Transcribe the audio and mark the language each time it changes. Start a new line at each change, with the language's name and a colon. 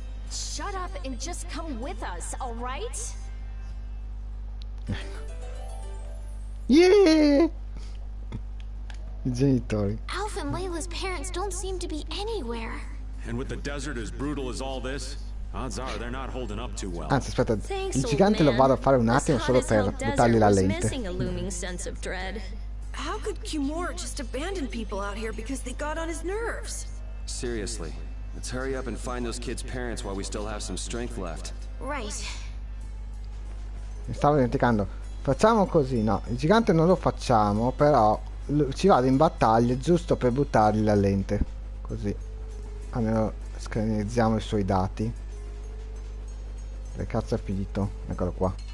English: Shut up and just come with us, all right? Yeah! Genitori. Alf and Layla's parents don't seem to be anywhere. And with the desert as brutal as all this, odds are they're not holding up too well.
Italian: Anzi, aspetta, thanks, il gigante lo vado a fare un attimo solo per buttargli la lente.
English: Missing a looming sense of dread. How could Kimura just abandon people out here because they got on his nerves? Seriously, let's hurry up and find those kids' parents while we still have some strength left. Right.
Italian: Mi stavo dimenticando. Facciamo così, no, il gigante non lo facciamo, però ci vado in battaglia giusto per buttargli la lente, così almeno scannerizziamo i suoi dati. Che cazzo è finito? Eccolo qua.